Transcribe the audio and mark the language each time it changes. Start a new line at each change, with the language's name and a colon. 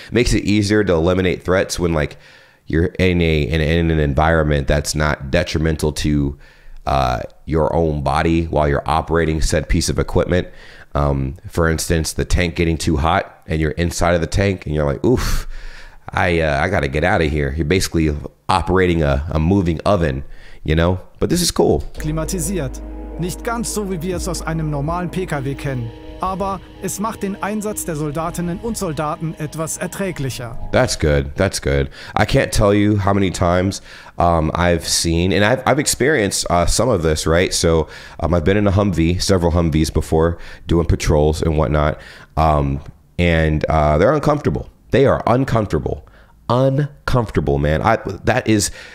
English: Makes it easier to eliminate threats when like you're in an environment that's not detrimental to your own body while you're operating said piece of equipment. For instance, the tank getting too hot and you're inside of the tank and you're like, oof, I gotta get out of here. You're basically operating a moving oven, you know? But this is cool.
German: Klimatisiert. Nicht ganz so, wie wir es aus einem normalen PKW kennen. Aber es macht den Einsatz der Soldatinnen und Soldaten etwas erträglicher.
English: That's good. That's good. I can't tell you how many times I've seen, and I've experienced some of this, right? So I've been in a Humvee, several Humvees before, doing patrols and whatnot. They're uncomfortable. They are uncomfortable. Uncomfortable, man. That is